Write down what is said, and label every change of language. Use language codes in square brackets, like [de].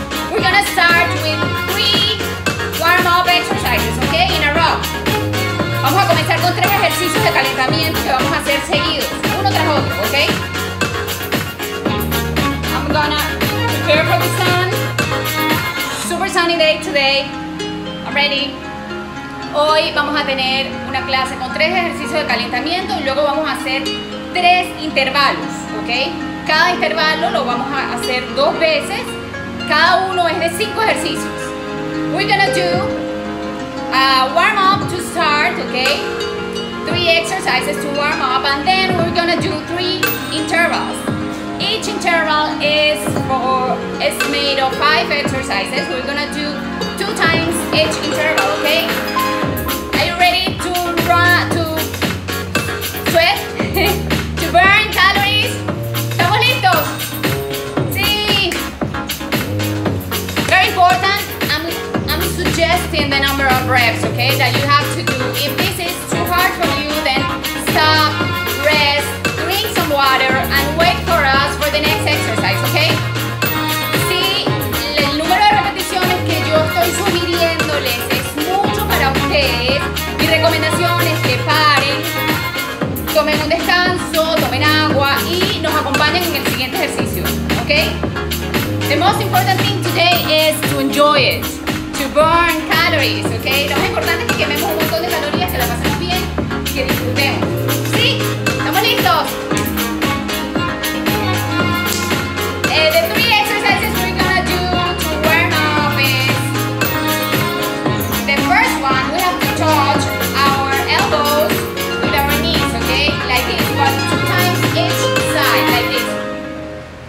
[en] We're gonna start with three warm-up exercises, ok? In a row. [es] Vamos a comenzar con tres ejercicios de calentamiento que vamos a hacer seguidos, uno tras otro, ¿ok? [en] I'm gonna prepare for the sun. Super sunny day today. I'm ready. [es] Hoy vamos a tener una clase con tres ejercicios de calentamiento y luego vamos a hacer tres intervalos, ¿ok? Cada intervalo lo vamos a hacer dos veces. Cada uno es de cinco ejercicios. [en] We're gonna do warm up to start, okay? Three exercises to warm up, and then we're gonna do three intervals. Each interval is made of five exercises. We're gonna do two times each interval, okay? Are you ready to run, to sweat, to burn calories? [es] ¿Estamos listos? Sí. [en] Very important. Suggesting the number of reps, okay, that you have to do. If this is too hard for you, then stop, rest, drink some water, and wait for us for the next exercise, okay? [es] Si el número de repeticiones que yo estoy sugiriéndoles es mucho para ustedes, mi recomendación es que paren, tomen un descanso, tomen agua y nos acompañen en el siguiente ejercicio, okay? [en] The most important thing today is to enjoy it. To burn calories, ok? [es] Lo más importante es que quememos un montón de calorías, que la pasemos bien y que disfrutemos. ¿Sí? ¿Estamos listos? [en] The three exercises we're gonna do to warm up is the first one, we have to touch our elbows with our knees, ok? Like this, but two times each side, like this.